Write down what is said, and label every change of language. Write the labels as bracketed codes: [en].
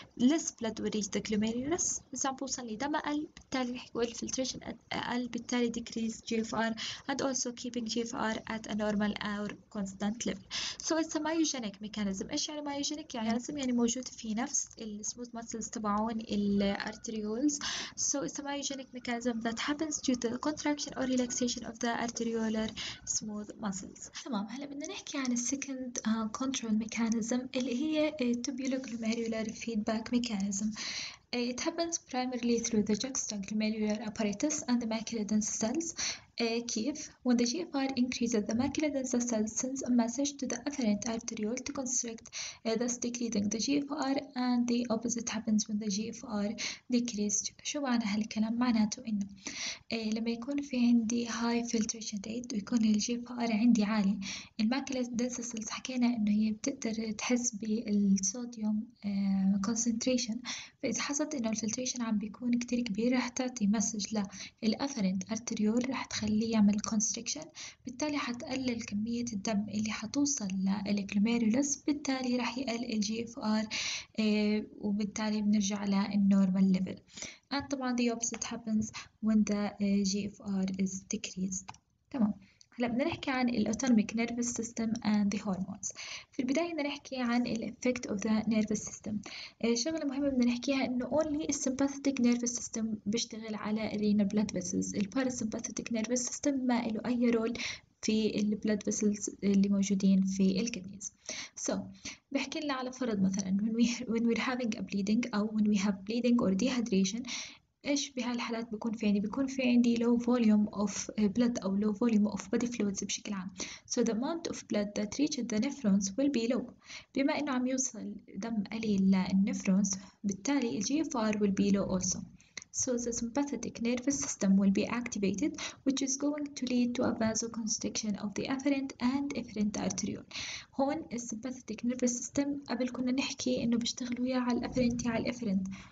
[en] less blood will reach the glomerulus، [ar] بس عم بوصل لدم أقل، بالتالي [en] رح يكون الفلتريشن أقل، بالتالي decrease GFR and also keeping GFR at a normal or constant level. So it's a myogenic mechanism. [ar] إيش يعني myogenic؟ يعني لازم يعني موجود في نفس ال smooth muscles تبعون ال arterioles. [en] So it's a myogenic mechanism that happens due to the contraction or relaxation of the arteriolar smooth muscles. [ar] تمام، هلا بدنا نحكي عن second control mechanism اللي هي tubular glomerular feedback mechanism. [en] It happens primarily through the juxtaglomerular apparatus and the macular dense cells. [ar] كيف؟ [en] When the GFR increases, the macular dense cells sends a message to the afferent arteriole to constrict, thus decreasing the GFR. And the opposite happens when the GFR decreases. [ar] شو معنى هالكلام؟ معناته إنه لما يكون في عندي [en] high filtration rate [ar] ويكون الـ GFR عندي عالي، المacular dense cells حكينا إنه هي بتقدر تحس بالصوديوم concentration. فإذا حصلت إنه الفلتريشن عم بيكون كتير كبير، راح تعطي مسج للأفرنت أرتريول، راح تخليه يعمل كونستريكشن، بالتالي حتقلل كمية الدم اللي حتوصل للجلوميرولوس، بالتالي راح يقل الجي اف ار، وبالتالي بنرجع للنورمال ليفل. [en] And [ar] طبعا [en] the opposite happens when the GFR is decreased. [ar] تمام، هلا بدنا نحكي عن [en] الاوتونوميك nervous system and the hormones. [ar] في البدايه بدنا نحكي عن [en] الافكت of the nervous system. [ar] شغله مهمه بدنا نحكيها انه [en] only السمباثيتك nervous system [ar] بيشتغل على [en] الرينال blood vessels. الباراسمباثيتك nervous system [ar] ما له اي رول في [en] البلاد فيسلز [ar] اللي موجودين في الكيدنيز. [en] so [ar] بحكي لنا على فرض مثلا [en] when we're having a bleeding او when we have bleeding or dehydration، [ar] إيش بهالحالات بيكون في عندي؟ [en] بيكون في عندي low volume of blood أو low volume of body fluids [ar] بشكل عام. [en] So the amount of blood that reaches the nephrons will be low. [ar] بما إنه عم يوصل دم قليل للنفرونز، بالتالي الـ GFR [en] will be low also. So the sympathetic nervous system will be activated, which is going to lead to a vasoconstriction of the afferent and efferent arteriole. [ar] هون الـ sympathetic nervous system قبل كنا نحكي إنه بيشتغل ويا على الـ afferent على الـ efferent.